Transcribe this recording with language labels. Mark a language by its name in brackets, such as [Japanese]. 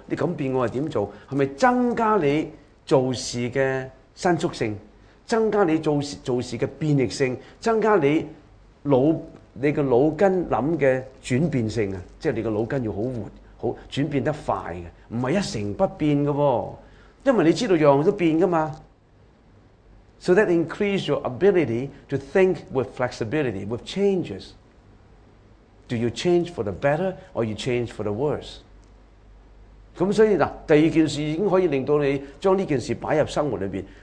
[Cantonese] 你咁變，我係點做？係咪增加你做事嘅伸縮性？增加你做事嘅變異性，增加你個腦筋諗嘅轉變性啊！即係你個腦筋要好活，好轉變得快嘅，唔係一成不變嘅喎。因為你知道樣都變噶嘛。 [English] So that increase your ability to think with flexibility, with changes. Do you change for the better or you change for the worse? [Cantonese] 咁所以嗱，第二件事已經可以令到你將呢件事擺入生活裏邊。